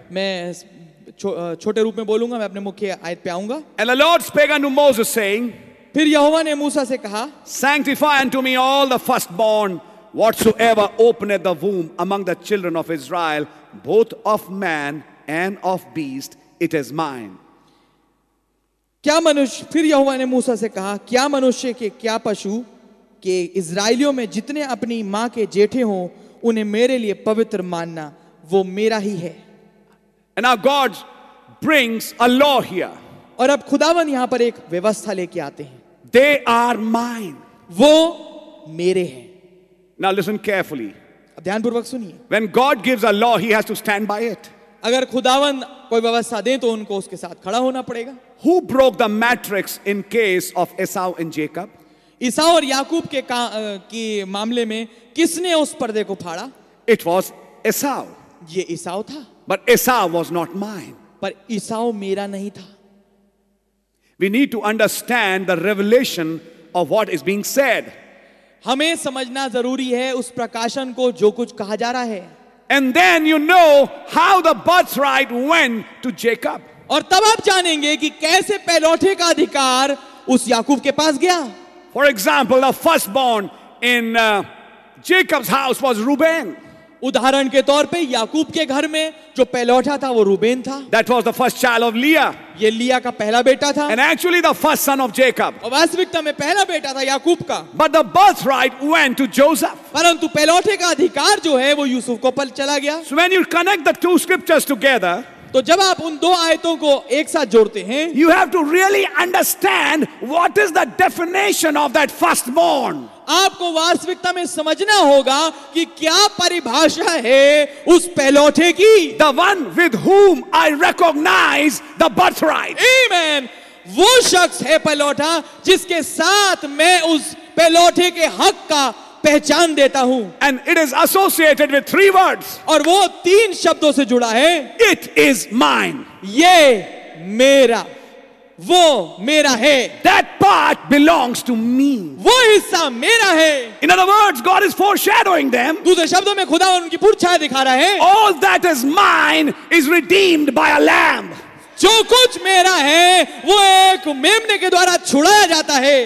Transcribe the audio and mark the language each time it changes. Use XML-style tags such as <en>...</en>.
<hi>मैं छोटे रूप में बोलूंगा, मैं अपने मुख्य आयत पे आऊंगा.</hi> <en>And the Lord spake unto Moses saying.</en> <hi>फिर यहोवा ने मूसा से कहा.</hi> <en>Sanctify unto me all the firstborn whatsoever openeth the womb among the children of Israel both of man and of beast, it is mine.</en> <hi>क्या मनुष्य, फिर यहोवा ने मूसा से कहा, क्या मनुष्य के क्या पशु के इसराइलियों में जितने अपनी मां के जेठे हों उन्हें मेरे लिए पवित्र मानना, वो मेरा ही है.</hi> <en>And now God brings a law here.</en> <hi>और अब खुदावन यहां पर एक व्यवस्था लेके आते हैं.</hi> <en>They are mine.</en> <hi>वो मेरे हैं.</hi> <en>Now listen carefully.</en> <hi>अब ध्यानपूर्वक सुनिए.</hi> <en>When God gives a law, he has to stand by it.</en> <hi>अगर खुदावन कोई व्यवस्था दे तो उनको उसके साथ खड़ा होना पड़ेगा.</hi> <en>Who broke the matrix in case of Esau and Jacob?</en> <hi>ईसा और याकूब के की मामले में किसने उस पर्दे को फाड़ा?</hi> <en>It was Esau.</en> <hi>ये ईसा था.</hi> <en>But Esau was not mine.</en> <hi>पर ईसा मेरा नहीं था.</hi> <en>We need to understand the revelation of what is being said.</en> <hi>हमें समझना जरूरी है उस प्रकाशन को जो कुछ कहा जा रहा है.</hi> <en>And then you know how the birthright went to Jacob.</en> <hi>और तब आप जानेंगे कि कैसे पहलौठे का अधिकार उस याकूब के पास गया.</hi> <en>For example, the firstborn in Jacob's house was Reuben.</en> <hi>उदाहरण के तौर पे याकूब के घर में जो पहलौठा था वो रूबेन था.</hi> <en>That was the first child of Leah.</en> <hi>ये लिया का पहला बेटा था.</hi> <en>And actually the first son of Jacob.</en> <hi>और वास्तविकता में पहला बेटा था याकूब का.</hi> <en>But the birthright went to Joseph.</en> <hi>परंतु पहलौठे का अधिकार जो है वो यूसुफ को पल चला गया.</hi> <en>So when you connect the two scriptures together,</en> <hi>तो जब आप उन दो आयतों को एक साथ जोड़ते हैं,</hi> <en>you have to really understand what is the definition of that firstborn.</en> <hi>आपको वास्तविकता में समझना होगा कि क्या परिभाषा है उस पहलौठे की.</hi> <en>The one with whom I recognize the birthright.</en> <hi>आमेन. वो शख्स है पहलौठा जिसके साथ मैं उस पहलौठे के हक का पहचान देता हूं.</hi> <en>And it is associated with three words.</en> <hi>और वो तीन शब्दों से जुड़ा है.</hi> <en>It is mine.</en> <hi>ये मेरा, वो मेरा है.</hi> <en>That part belongs to me.</en> <hi>वो हिस्सा मेरा है.</hi> <en>In other words, God is foreshadowing them.</en> <hi>दूसरे शब्दों में खुदा उनकी पुरछाया दिखा रहा है.</hi> <en>All that is mine is redeemed by a lamb.</en> <hi>जो कुछ मेरा है वो एक मेमने के द्वारा छुड़ाया जाता है.</hi>